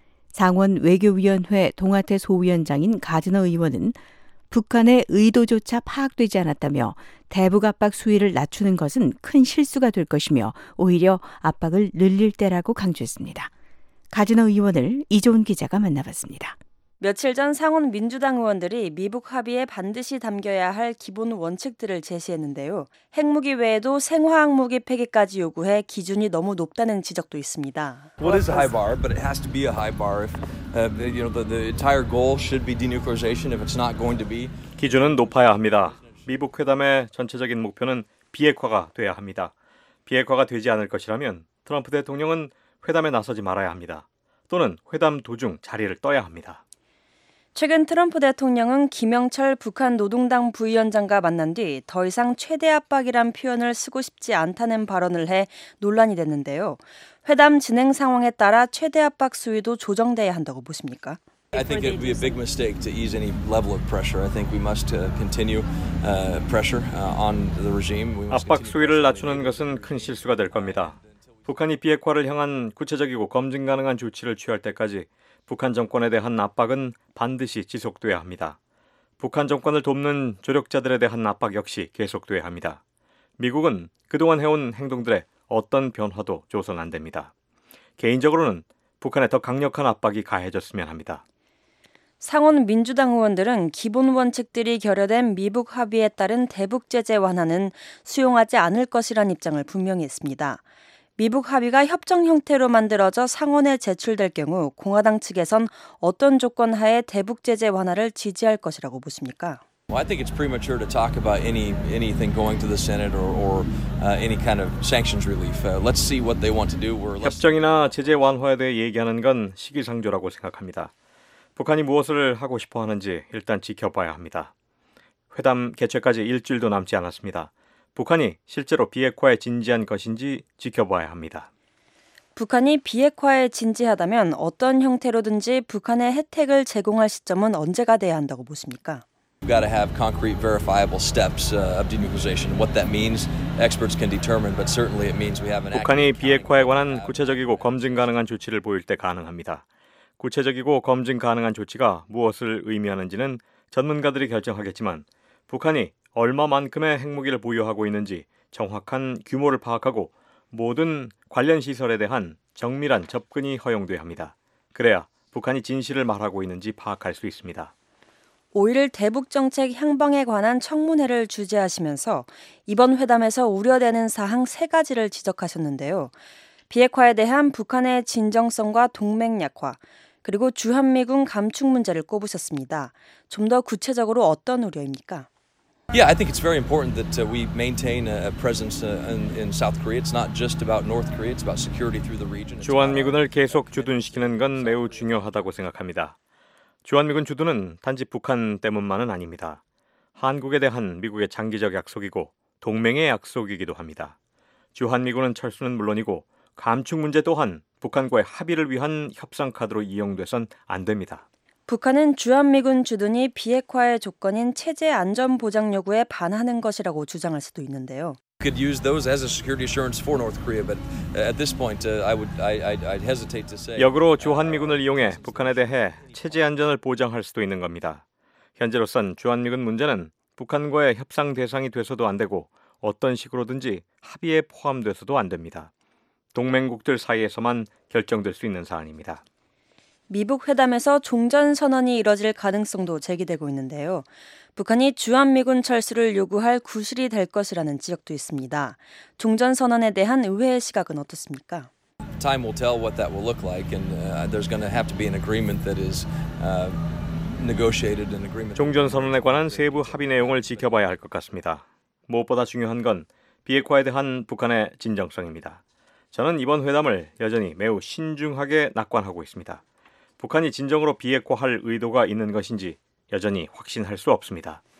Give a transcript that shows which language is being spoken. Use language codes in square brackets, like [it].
[ko] 상원 외교위원회 동아태 소위원장인 가드너 의원은 북한의 의도조차 파악되지 않았다며 대북 압박 수위를 낮추는 것은 큰 실수가 될 것이며 오히려 압박을 늘릴 때라고 강조했습니다. 가진호 의원을 이종훈 기자가 만나봤습니다. 며칠 전 상원 민주당 의원들이 미북 합의에 반드시 담겨야 할 기본 원칙들을 제시했는데요. 핵무기 외에도 생화학 무기 폐기까지 요구해 기준이 너무 높다는 지적도 있습니다. [en] What is a high bar? But it has to be a high bar. If you know the entire goal should be denuclearization. If it's not going to be, [ko] 기준은 높아야 합니다. 미북 회담의 전체적인 목표는 비핵화가 돼야 합니다. 비핵화가 되지 않을 것이라면 트럼프 대통령은 회담에 나서지 말아야 합니다. 또는 회담 도중 자리를 떠야 합니다. 최근 트럼프 대통령은 김영철 북한 노동당 부위원장과 만난 뒤 더 이상 최대 압박이란 표현을 쓰고 싶지 않다는 발언을 해 논란이 됐는데요. 회담 진행 상황에 따라 최대 압박 수위도 조정돼야 한다고 보십니까? [en] I think it would be a big mistake to ease any level of pressure. I think we must continue pressure on the regime. [ko] 압박 수위를 낮추는 것은 큰 실수가 될 겁니다. 북한이 비핵화를 향한 구체적이고 검증 가능한 조치를 취할 때까지 북한 정권에 대한 압박은 반드시 지속돼야 합니다. 북한 정권을 돕는 조력자들에 대한 압박 역시 계속돼야 합니다. 미국은 그동안 해온 행동들의 어떤 변화도 조선 안 됩니다. 개인적으로는 북한에 더 강력한 압박이 가해졌으면 합니다. 상원 민주당 의원들은 기본 원칙들이 결여된 미북 합의에 따른 대북 제재 완화는 수용하지 않을 것이란 입장을 분명히 했습니다. 미북 합의가 협정 형태로 만들어져 상원에 제출될 경우 공화당 측에선 어떤 조건 하에 대북 제재 완화를 지지할 것이라고 보십니까? [en] Well, I think it's premature to talk about anything going to the Senate or any kind of sanctions relief. Let's see what they want to do. [ko] 협정이나 제재 완화에 대해 얘기하는 건 시기상조라고 생각합니다. 북한이 무엇을 하고 싶어 하는지 일단 지켜봐야 합니다. 회담 개최까지 일주일도 남지 않았습니다. 북한이 실제로 비핵화에 진지한 것인지 지켜봐야 합니다. 북한이 비핵화에 진지하다면 어떤 형태로든지 북한의 혜택을 제공할 시점은 언제가 돼야 한다고 보십니까? [en] We've got to have concrete, verifiable steps of denuclearization. What that means, experts can determine, but certainly it means we have an. [ko] 북한이 비핵화에 관한 구체적이고 검증 가능한 조치를 보일 때 가능합니다. 구체적이고 검증 가능한 조치가 무엇을 의미하는지는 전문가들이 결정하겠지만, 북한이 얼마만큼의 핵무기를 보유하고 있는지 정확한 규모를 파악하고 모든 관련 시설에 대한 정밀한 접근이 허용돼야 합니다. 그래야 북한이 진실을 말하고 있는지 파악할 수 있습니다. 5.1 대북정책 향방에 관한 청문회를 주재하시면서 이번 회담에서 우려되는 사항 3가지를 지적하셨는데요. 비핵화에 대한 북한의 진정성과 동맹 약화, 그리고 주한미군 감축 문제를 꼽으셨습니다. 좀 더 구체적으로 어떤 우려입니까? [en] Yeah, I think it's very important that we maintain a presence in South Korea. It's not just about North Korea, it's about security through the region. [ko] 주한미군을 계속 주둔시키는 건 매우 중요하다고 생각합니다. 주한미군 주둔은 단지 북한 때문만은 아닙니다. 한국에 대한 미국의 장기적 약속이고 동맹의 약속이기도 합니다. 주한미군은 철수는 물론이고 감축 문제 또한 북한과의 합의를 위한 협상 카드로 이용돼선 안 됩니다. 북한은 주한미군 주둔이 비핵화의 조건인 체제 안전 보장 요구에 반하는 것이라고 주장할 수도 있는데요. [en] Could use those as a security assurance for North Korea, but at this point, I'd hesitate to say. [ko] 역으로 주한미군을 이용해 북한에 대해 체제 안전을 보장할 수도 있는 겁니다. 현재로선 주한미군 문제는 북한과의 협상 대상이 돼서도 안 되고 어떤 식으로든지 합의에 포함돼서도 안 됩니다. 동맹국들 사이에서만 결정될 수 있는 사안입니다. 미북 회담에서 종전 선언이 이뤄질 가능성도 제기되고 있는데요. 북한이 주한미군 철수를 요구할 구실이 될 것이라는 지적도 있습니다. 종전 선언에 대한 의회의 시각은 어떻습니까? [en] Time will tell what that will look like and there's going to have to be an agreement that is negotiated an agreement. [ko] 종전 선언에 관한 세부 합의 내용을 지켜봐야 할 것 같습니다. 무엇보다 중요한 건 비핵화에 대한 북한의 진정성입니다. 저는 이번 회담을 여전히 매우 신중하게 낙관하고 있습니다. 북한이 진정으로 비핵화할 의도가 있는 것인지 여전히 확신할 수 없습니다.